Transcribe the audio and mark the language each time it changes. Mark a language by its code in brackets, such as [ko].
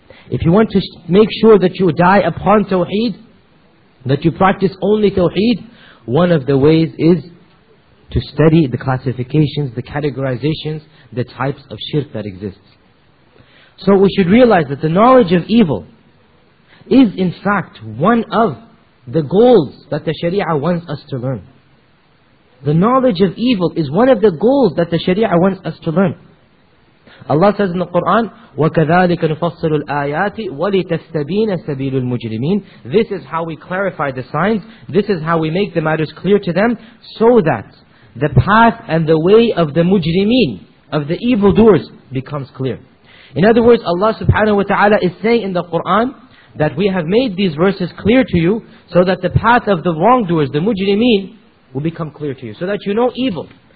[en] If you want to make sure that you die upon tawheed, that you practice only tawheed, one of the ways is to study the classifications, the categorizations, the types of shirk that exists. So we should realize that the knowledge of evil is in fact one of the goals that the Sharia wants us to learn. The knowledge of evil is one of the goals that the Sharia wants us to learn. Allah says in the Quran, [ar] وَكَذَٰلِكَ نُفَصِّلُ الْآيَاتِ وَلِتَسْتَبِينَ سَبِيلُ الْمُجْرِمِينَ. [en] This is how we clarify the signs, this is how we make the matters clear to them, so that the path and the way of the mujrimeen, of the evildoers, becomes clear. In other words, Allah subhanahu wa ta'ala is saying in the Quran that we have made these verses clear to you so that the path of the wrongdoers, the mujrimeen, will become clear to you, so that you know evil.